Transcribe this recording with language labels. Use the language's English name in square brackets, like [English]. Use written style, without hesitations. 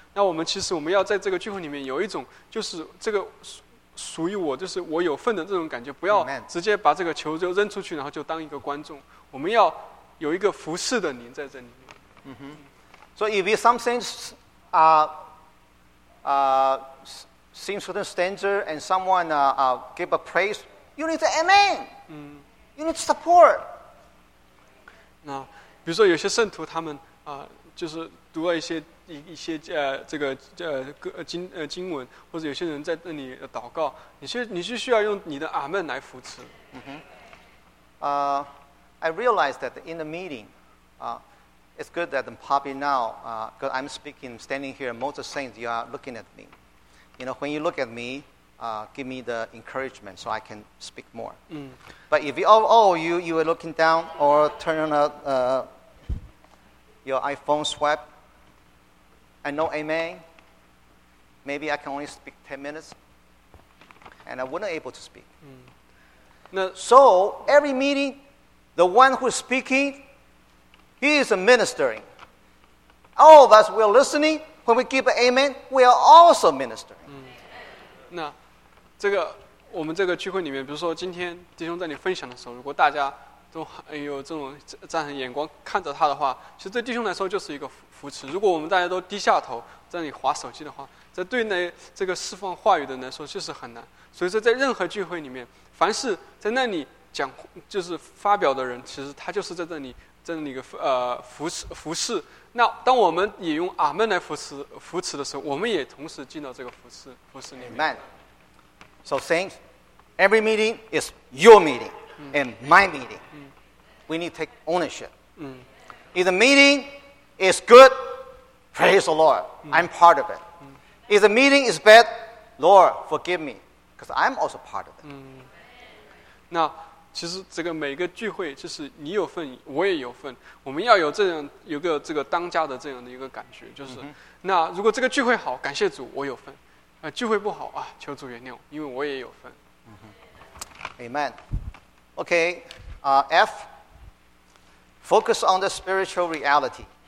[Chinese] 那我们其实我们要在这个聚会里面有一种就是这个属于我，就是我有份的这种感觉，不要直接把这个球就扔出去，然后就当一个观众。我们要有一个服侍的灵在这里面。嗯哼。 [English] So if something seems certain standard and someone give a praise, you need to amen. You need to support. [Chinese] 那比如说有些圣徒他们就是读了一些这个经文，或者有些人在那里祷告，你是需要用你的阿们来扶持。 [English] I realized that in the meeting, it's good that probably now, because I'm speaking, standing here, most of the saints, you are looking at me. You know, when you look at me, give me the encouragement so I can speak more. But if you are looking down or turning up your iPhone swipe, I know amen, maybe I can only speak 10 minutes, and I wouldn't be able to speak. So every meeting, the one who is speaking, he is ministering. All of us, we are listening. When we give an amen, we are also ministering. [Chinese] 那这个我们这个聚会里面，比如说今天弟兄在你分享的时候，如果大家都有这种赞赏眼光看着他的话，其实对弟兄来说就是一个扶持。如果我们大家都低下头在你滑手机的话，这对那这个释放话语的人来说就是很难。所以说在任何聚会里面，凡是在那里讲就是发表的人，其实他就是在这里服侍。那当我们也用阿们来扶持的时候，我们也同时进到这个服侍里面。 [English] Amen. So saints, every meeting is your meeting and my meeting. We need to take ownership. If the meeting is good, praise the Lord. I'm part of it. If the meeting is bad, Lord, forgive me, because I'm also part of it. [Chinese] 那其实这个每个聚会就是你有份我也有份，我们要有这样有个这个当家的这样的一个感觉，就是那如果这个聚会好，感谢主我有份，聚会不好啊，求主原谅，因为我也有份。 [English] Amen. Okay, F, focus on the spiritual reality.